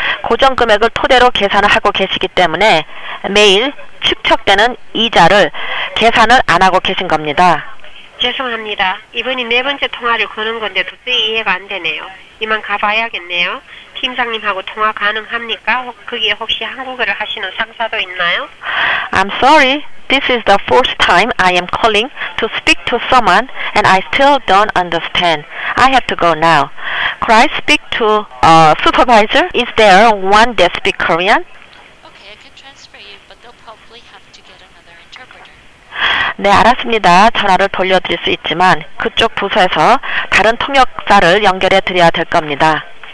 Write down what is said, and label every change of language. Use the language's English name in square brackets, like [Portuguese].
[Korean] 고정 금액을 토대로 계산을 하고 계시기 때문에 매일 축적되는 이자를 계산을 안 하고 계신 겁니다. 죄송합니다. 이번이 네 번째 통화를 거는 건데 도저히 이해가 안 되네요. 이만 가봐야겠네요. 팀장님하고 통화 가능합니까? 거기에 혹시 한국어를 하시는 상사도 있나요? [English] I'm sorry. This is the fourth time I am calling to speak to someone and I still don't understand. I have to go now. Could I speak to a supervisor? Is there one that speaks Korean? Okay, I can transfer you, but they'll probably have to get another interpreter. [Korean] 네, 알았습니다. 전화를 돌려드릴 수 있지만 그쪽 부서에서 다른 통역사를 연결해 드려야 될 겁니다.